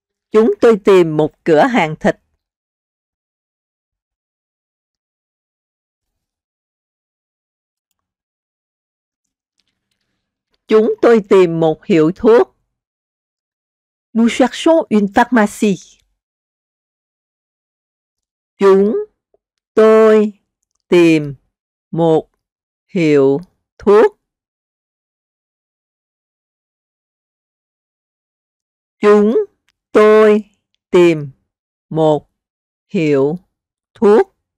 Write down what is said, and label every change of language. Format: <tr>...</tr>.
<vi>Chúng tôi tìm một cửa hàng thịt. Chúng tôi tìm một hiệu thuốc.</vi> <fr>Nous cherchons une pharmacie.</fr> <vi>Chúng tôi tìm một hiệu thuốc. Chúng tôi tìm một hiệu thuốc.</vi>